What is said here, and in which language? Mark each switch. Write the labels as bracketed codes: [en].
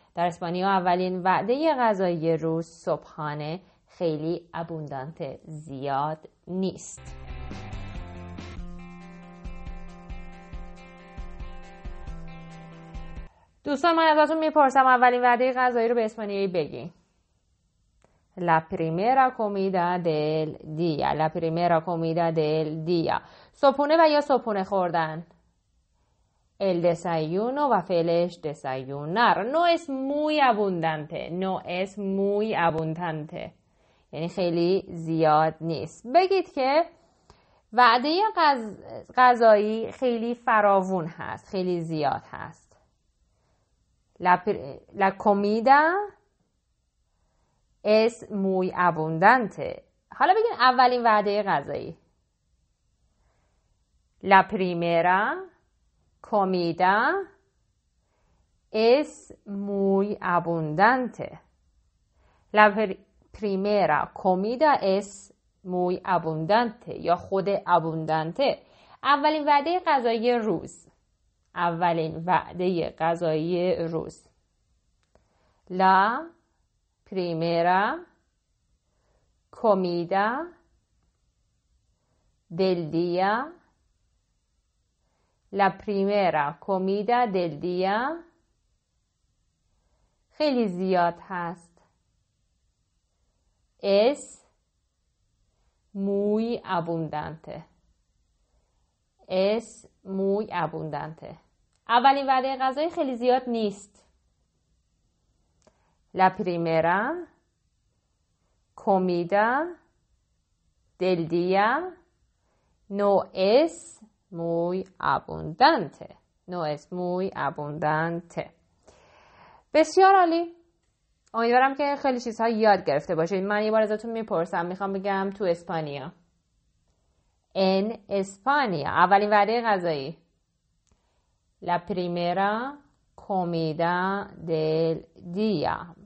[fa] در اسپانیا اولین وعده غذایی روز صبحانه خیلی ابوندانت زیاد نیست. دوستان من ازتون میپرسم اولین وعده غذایی رو به اسپانیایی بگین. [es] La primera comida del día. La primera comida del día. [fa] صبحونه و یا صبحونه خوردن. [es] El desayuno va felish desayunar. No es muy abundante. No es muy abundante. [fa] یعنی خیلی زیاد نیست. بگید که وعده غذایی خیلی فراوون هست. خیلی زیاد هست. [es] La comida es muy abundante. [fa] حالا بگید اولین وعده غذایی. [es] La primera comida es muy abundante. Primera comida es muy abundante. [fa] یا خود abundante. اولین وعده غذایی روز. اولین وعده غذایی روز. [es] La primera comida del día. La primera comida del día. [fa] خیلی زیاد هست. [es] Es muy abundante. Es muy abundante. [fa] اولین وعده غذایی خیلی زیاد نیست. [es] La primera comida del día no es muy abundante. No es muy abundante. [fa] بسیار عالی. امیدوارم که خیلی چیزها یاد گرفته باشید. من یه بار ازتون میپرسم، میخوام بگم تو اسپانیا. [es] En España. [fa] اولین وعده غذایی. [es] La primera comida del día.